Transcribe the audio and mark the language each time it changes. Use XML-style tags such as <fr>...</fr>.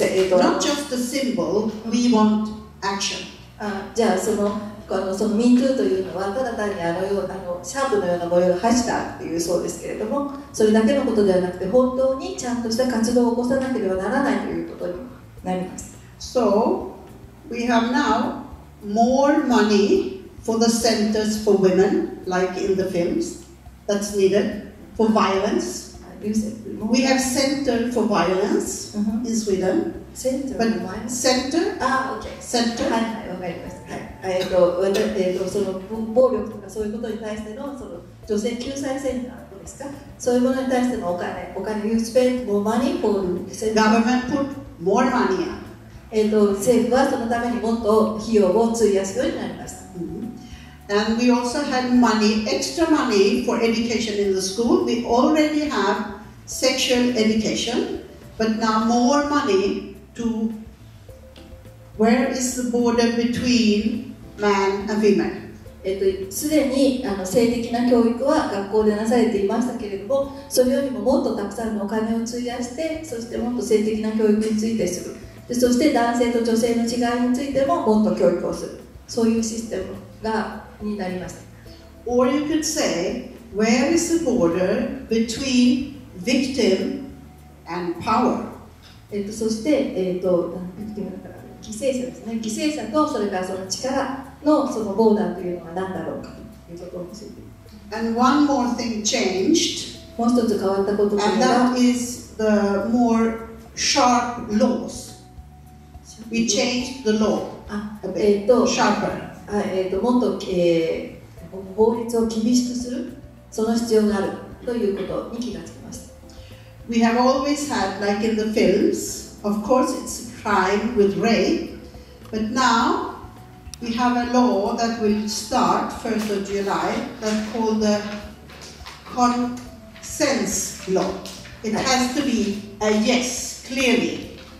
<en>Not just a symbol, we want action.</en> <ja>じゃあその Me too というのはただ単にシャープのような模様のハッシュタグというそうですけれどもそれだけのことではなくて本当にちゃんとした活動を起こさなければならないということになります。</ja> <en>So, we have now more money for the centers for women, like in the films. That's needed for violence. We have center for violence、mm-hmm. in Sweden. Center for violence? Center. Ah, okay. Center.</en> <ja>はい、はい、分かりました。はい。その暴力とかそういうことに対しての、その女性救済センターどうですか？そういうものに対してのお金、</ja> <en>you spend more money for center. Government put more money up.</en> <ja>政府はそのためにもっと費用を費やすようになりました。</ja> <en>And we also had money, extra money for education in the school. We already have sexual education, but now more money to where is the border between man and women?</en> <ja>すでに性的な教育は学校でなされていましたけれども、それよりももっとたくさんのお金を費やして、そしてもっと性的な教育についてで、そして男性と女性の違いについてももっと教育をする、そういうシステムがになりました。</ja> <en>Or you could say, where is the border between victim and power?</en> <ja>そして、犠牲者ですね、犠牲者とそれからその力のそのボーダーというのは何だろうかということを教えています。</ja> <en>And one more thing changed.</en> <ja>もう一つ変わったこと</ja> <en>が、and that is the more sharp laws. We changed the law a bit sharper.</en> <ja>もっと、法律を厳しくするその必要があるということに気がつきました。</ja> <en>We have always had, like in the films, of course it's a crime with rape, but now. We have a law that will start 1st of July that's called the consent law. It has to be a yes, clearly.</en>